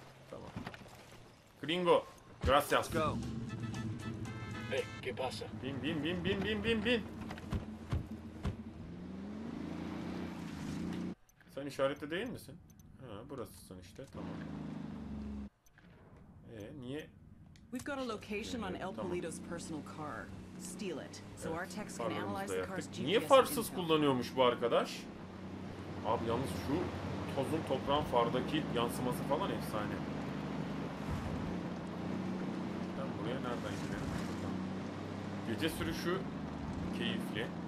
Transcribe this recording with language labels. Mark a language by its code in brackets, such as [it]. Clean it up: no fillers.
[tr] Tamam. Gringo. [es] Gracias. Hey, ¿qué pasa? Bin, bin, bin, bin, bin, bin, bin. [tr] Sen işarette değil misin? Ha, burasısın işte. Tamam. Niye? [en] We've got a location on El Polito's personal car. Steal it. So our techs can analyze the car's GPS. [tr] Niye farsız kullanıyormuş bu arkadaş? Abi yalnız şu tozun toprağın fardaki yansıması falan efsane. Ben buraya nereden gireyim? Gece sürüşü keyifli.